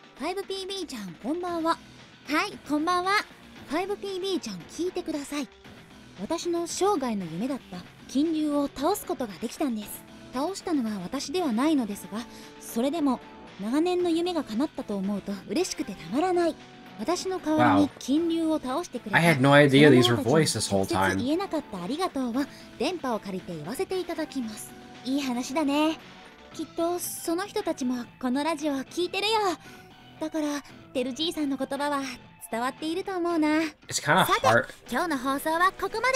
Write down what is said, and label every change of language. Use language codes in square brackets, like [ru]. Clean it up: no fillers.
[ja] 5PB ちゃん、こんばんは。はい、こんばんは。5PB ちゃん、聞いてください。私の生涯の夢だった金龍を倒すことができたんです。倒したのは私ではないのですが、それでも長年の夢が叶ったと思うと嬉しくてたまらない。私の代わりに金龍を倒してくれた。 [en] I had no idea these were voice this whole time. [ja] 直接言えなかったありがとうは電波を借りて言わせていただきます。いい話だね。きっとその人たちもこのラジオを聞いてるよ。だからテルじいさんの言葉は伝わっていると思うな。 [en] It's kind of hard. [ja] 今日の放送はここまで。